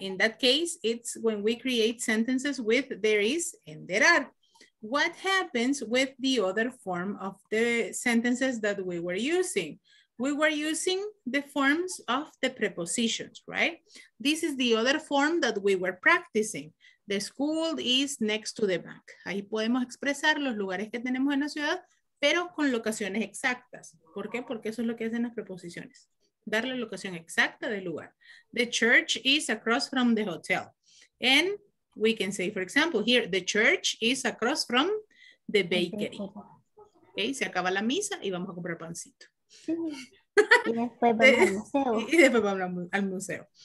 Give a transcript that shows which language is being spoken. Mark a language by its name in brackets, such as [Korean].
[English] In that case, it's when we create sentences with there is and there are. What happens with the other form of the sentences that we were using? We were using the forms of the prepositions, right? This is the other form that we were practicing. The school is next to the bank. [Spanish] Ahí podemos expresar los lugares que tenemos en la ciudad, pero con locaciones exactas. ¿Por qué? Porque eso es lo que hacen las preposiciones. Dar la locación exacta del lugar. [English] The church is across from the hotel. And we can say, for example, here, the church is across from the bakery. [Spanish] Okay, se acaba la misa y vamos a comprar pancito. Sí. Y después vamos al museo. Y después vamos al museo.